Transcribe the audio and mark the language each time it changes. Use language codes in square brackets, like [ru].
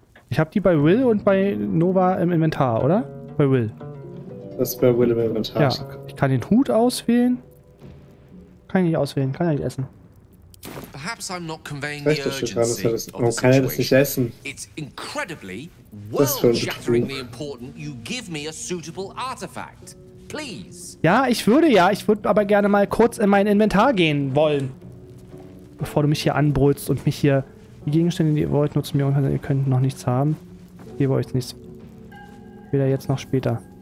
[de] Ich habe die bei Will und bei Nova im Inventar, oder? Bei Will. Das ist bei Will im Inventar. Ja, ich kann den Hut auswählen. Kann ich nicht auswählen, kann er nicht essen. Vielleicht ist das schon dran, warum kann er das nicht essen? [en] It's incredibly world-shatteringly important, you give me a suitable artifact. Please. [de] Ja, ich würde aber gerne mal kurz in mein Inventar gehen wollen. Bevor du mich hier anbrüllst und mich hier die Gegenstände, die ihr wollt, nutzen mir und ihr könnt noch nichts haben. Ich gebe euch nichts. Weder jetzt noch später.